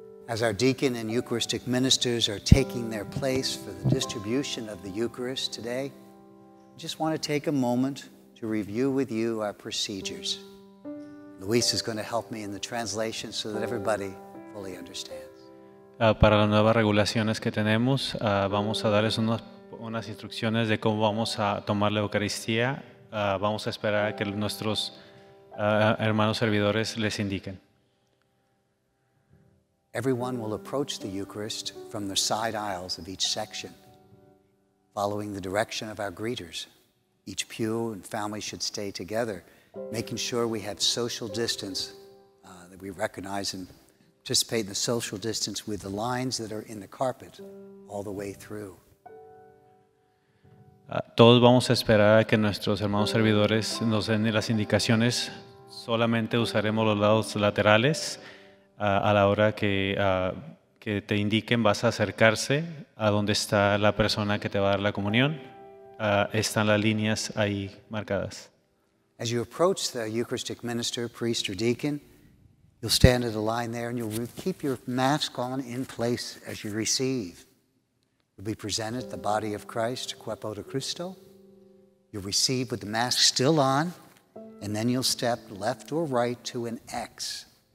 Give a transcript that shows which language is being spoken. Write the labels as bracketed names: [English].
[English] As our deacon and Eucharistic ministers are taking their place for the distribution of the Eucharist today, I just want to take a moment to review with you our procedures. Luis is going to help me in the translation so that everybody fully understands. [Spanish] Para las nuevas regulaciones que tenemos, vamos a darles unas instrucciones de cómo vamos a tomar la Eucaristía. Vamos a esperar a que nuestros hermanos servidores les indiquen. [English] Everyone will approach the Eucharist from the side aisles of each section, following the direction of our greeters. Each pew and family should stay together, making sure we have social distance, that we recognize and participate in the social distance with the lines that are in the carpet all the way through. [Spanish] Todos vamos a esperar a que nuestros hermanos servidores nos den las indicaciones. Solamente usaremos los lados laterales. A la hora que te indiquen, vas a acercarse a donde está la persona que te va a dar la comunión. Están las líneas ahí marcadas. [English] As you approach the Eucharistic minister, priest, or deacon, you'll stand at a line there and you'll keep your mask on in place as you receive. You'll be presented the body of Christ, [Spanish] cuerpo de Cristo. [English] You'll receive with the mask still on, and then you'll step left or right to an X.